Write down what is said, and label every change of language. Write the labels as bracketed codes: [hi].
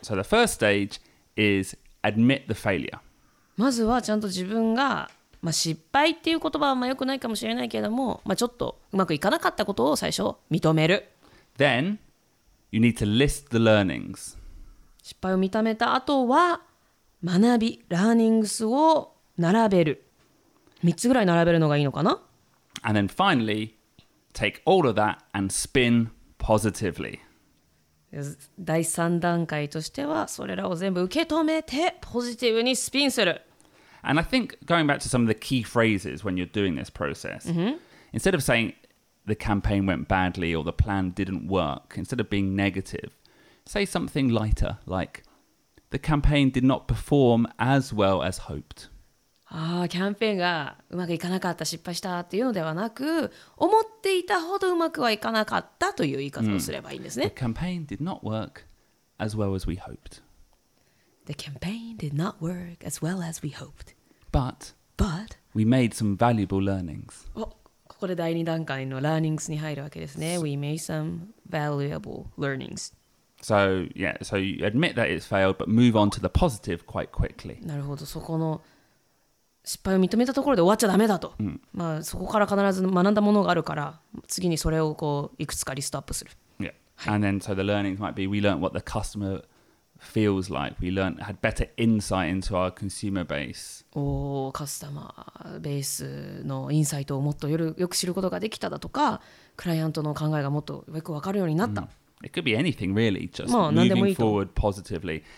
[en] So the first stage is admit the failure. [ja] まずはちゃんと自分が、まあ、失敗っていう言葉はまあ良くないかもしれないけれども、まあ、ちょっとうまくいかなかったことを最初認める。 [en] Then, you need to list the learnings. [ja] 失敗を認めた後は学び、ラーニングスを並べる。 3つぐらい並べるのがいいのかな? [en] And then finally, take all of that and spin positively. [ja] 第三段階としてはそれらを全部受け止めてポジティブにスピンする。 [en] And I think going back to some of the key phrases when you're doing this process,、 mm-hmm. instead of saying the campaign went badly or the plan didn't work, instead of being negative, say something lighter like the campaign did not perform as well as hoped. [ja] ああ、キャンペーンがうまくいかなかった、失敗したっていうのではなく、思っていたほどうまくはいかなかったという言い方をすればいいんですね。 [en] The campaign did not work as well as we hoped. The campaign did not work as well as we hoped. But we made some valuable learnings. [ja] お、ここで第二段階のラーニングスに入るわけですね。 [en] We made some valuable learnings. So, yeah, so you admit that it's failed, but move on to the positive quite quickly. [ja] なるほど、そこの失敗を認めたところで終わっちゃダメだと、まあ、そこから必ず学んだものがあるから次にそれをこういくつかリストアップする、 [en] yeah. はい、And then so the learnings might be we learned what the customer feels like. We learned, had better insight into our consumer base. [ja] Oh, customer base のインサイトをもっとよく知ることができただとか、クライアントの考えがもっとよく分かるようになった。 [en] It could be anything really, just moving forward positively.